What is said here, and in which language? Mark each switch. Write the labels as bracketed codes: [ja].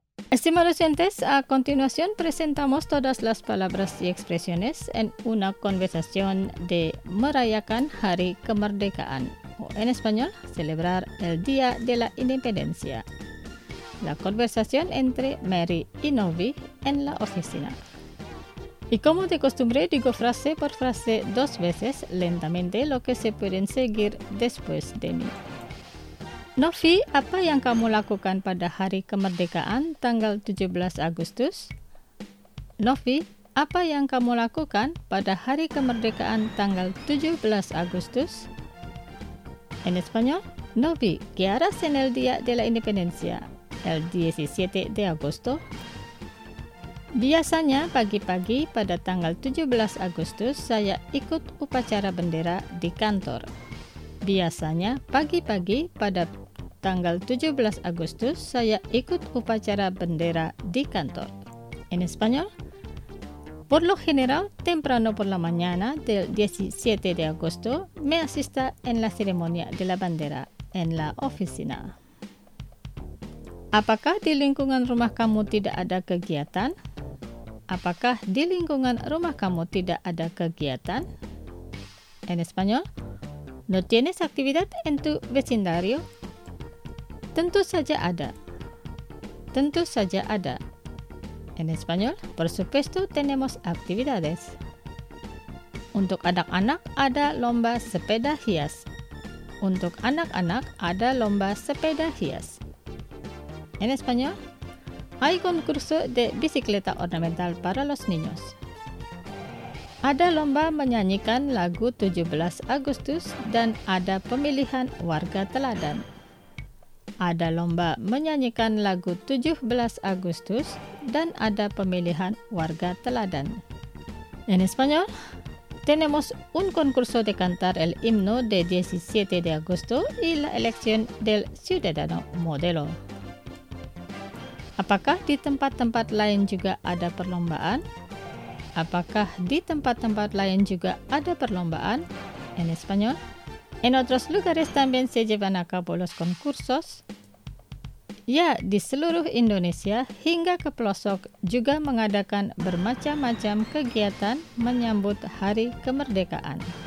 [es] Estimados oyentes, a continuación presentamos todas las palabras y expresiones en una conversación de [id] Merayakan Hari Kemerdekaan, [es] o en español, celebrar el Día de la Independencia. La conversación entre Mary y Novi en la oficina. Y como de costumbre, digo frase por frase dos veces lentamente lo que se pueden seguir después de mí. [id] Novi, apa yang kamu lakukan pada hari kemerdekaan tanggal 17 Agustus? Novi, Apa yang kamu lakukan pada hari kemerdekaan tanggal 17 Agustus? [es] En español, no vi qué harás en el día de la independencia, el 17 de agosto. [id] Biasanya pagi-pagi pada tanggal 17 Agustus saya ikut upacara bendera di kantor. Biasanya pagi-pagi pada tanggal 17 Agustus saya ikut upacara bendera di kantor. [es] En español, por lo general, temprano por la mañana del 17 de agosto me asista en la ceremonia de la bandera en la oficina. [id] Apakah di lingkungan rumah kamu tidak ada kegiatan? Apakah di lingkungan rumah kamu tidak ada kegiatan? [es] En español, ¿no tienes actividad en tu vecindario? [id] Tentu saja ada. Tentu saja ada. [es] En español, por supuesto tenemos actividades. [id] Untuk anak-anak ada lomba sepeda hias. Untuk anak-anak ada lomba sepeda hias. [es] En español, hay concurso de bicicleta ornamental para los niños. [id] Ada lomba menyanyikan lagu 17 Agustus dan ada pemilihan warga teladan. Ada lomba menyanyikan lagu 17 Agustus dan ada pemilihan warga teladan. [es] En español, tenemos un concurso de cantar el himno de 17 de agosto y la elección del ciudadano modelo. [id] Apakah di tempat-tempat lain juga ada perlombaan? Apakah di tempat-tempat lain juga ada perlombaan? [es] En español, ¿en otros lugares también se llevan a cabo los concursos? [id] Ya, di seluruh Indonesia hingga ke pelosok juga mengadakan bermacam-macam kegiatan menyambut Hari Kemerdekaan.